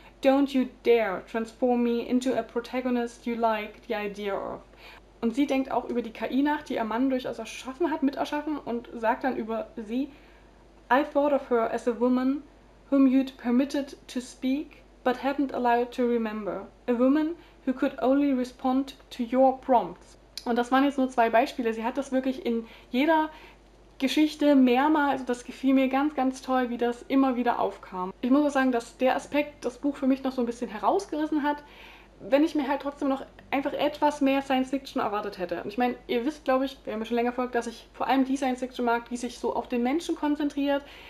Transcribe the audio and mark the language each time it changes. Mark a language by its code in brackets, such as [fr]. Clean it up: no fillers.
[en] Don't you dare transform me into a protagonist you like the idea of." [de] Und sie denkt auch über die KI nach, die ihr Mann durchaus erschaffen hat, miterschaffen, und sagt dann über sie: [en] "I thought of her as a woman whom you'd permitted to speak, but hadn't allowed to remember. A woman who could only respond to your prompts." [de] Und das waren jetzt nur zwei Beispiele. Sie hat das wirklich in jeder Geschichte mehrmals, also das gefiel mir ganz, ganz toll, wie das immer wieder aufkam. Ich muss auch sagen, dass der Aspekt das Buch für mich noch so ein bisschen herausgerissen hat, wenn ich mir halt trotzdem noch einfach etwas mehr Science-Fiction erwartet hätte. Und ich meine, ihr wisst, glaube ich, wer mir schon länger folgt, dass ich vor allem die Science-Fiction mag, die sich so auf den Menschen konzentriert.